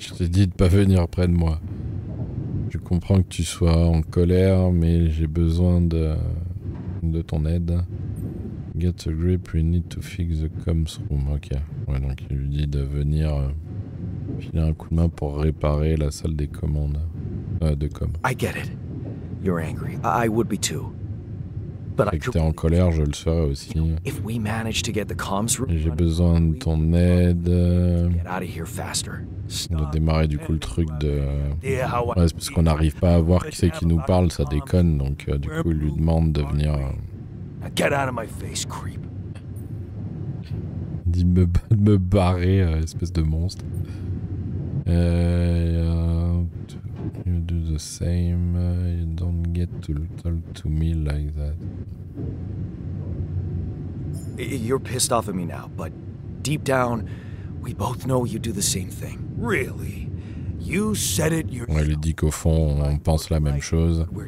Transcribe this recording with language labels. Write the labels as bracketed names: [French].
[French] Je t'ai dit de pas venir près de moi. Je comprends que tu sois en colère, mais j'ai besoin de ton aide. [English] Get a grip, we need to fix the comms room. Ok. [French] Ouais, donc il lui dit de venir filer un coup de main pour réparer la salle des commandes. De com. [English] I get it. You're angry. I would be too. But I could... [French] T'es en colère, je le serais aussi. [English] If we manage to get the comms room... [French] J'ai besoin de ton aide. [English] Get out of here faster. [French] De démarrer du coup le truc de... Ouais, c'est parce qu'on n'arrive pas à voir qui c'est qui nous parle, ça déconne. Donc du coup il lui demande de venir... [English] Now get out of my face, creep. [French] Dit me barrer, espèce de monstre. [English] You do the same. You don't get to talk to me like that. You're pissed off at me now, but deep down, we both know you do the same thing. Really? You said it yourself. [French] Ouais, il dit qu'au fond, on pense la même chose.